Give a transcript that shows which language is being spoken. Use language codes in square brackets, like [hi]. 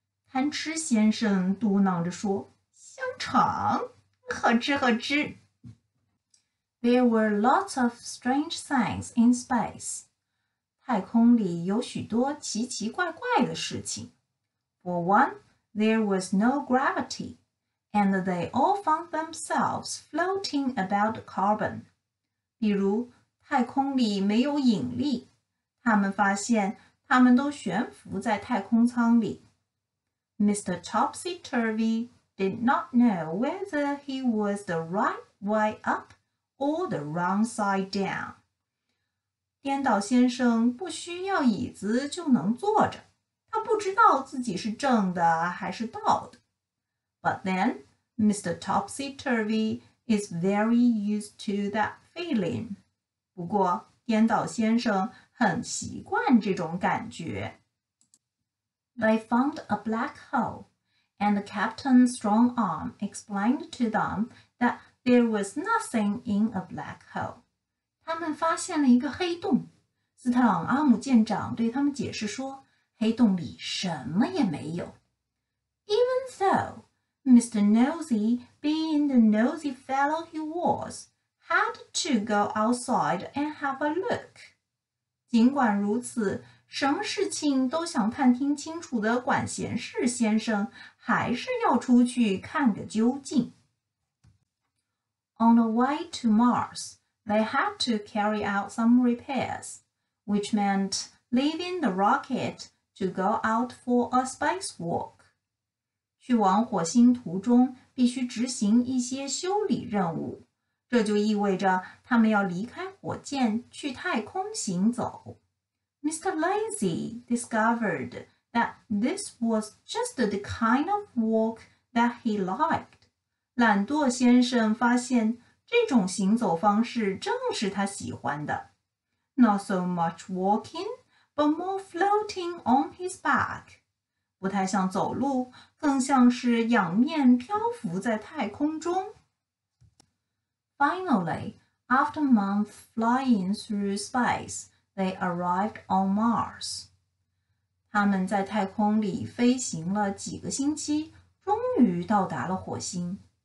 [zh] 贪吃先生嘟囔着说，香肠，好吃好吃。 [en] There were lots of strange things in space. [zh] 太空里有许多奇奇怪怪的事情。 [en] For one, there was no gravity, and they all found themselves floating about carbon. [zh] 比如，太空里没有引力，他们发现他们都悬浮在太空舱里。 [en] Mr. Topsy-Turvy did not know whether he was the right way up. All the wrong side down. [zh] 颠倒先生不需要椅子就能坐着，他不知道自己是正的还是倒的。 [en] But then, Mr. Topsy-Turvy is very used to that feeling. [zh] 不过，颠倒先生很习惯这种感觉。 [en] They found a black hole, and Captain Strongarm explained to them thatThere was nothing in a black hole. [zh] 他们发现了一个黑洞。斯特朗阿姆舰长对他们解释说，黑洞里什么也没有。 [en] Even so, Mr. Nosey, being the nosy fellow he was, had to go outside and have a look. [zh] 尽管如此，什么事情都想探听清楚的管闲事先生，还是要出去看个究竟。 [en] On the way to Mars, they had to carry out some repairs, which meant leaving the rocket to go out for a spacewalk. [zh] 去往火星途中必须执行一些修理任务，这就意味着他们要离开火箭去太空行走。 [en] Mr. Lazy discovered that this was just the kind of walk that he liked. [zh] 懒惰先生发现这种行走方式正是他喜欢的。 [en] Not so much walking, but more floating on his back. [zh] 不太像走路，更像是仰面漂浮在太空中。 [en] Finally, after months flying through space, they arrived on Mars. [zh] 他们在太空里飞行了几个星期，终于到达了火星。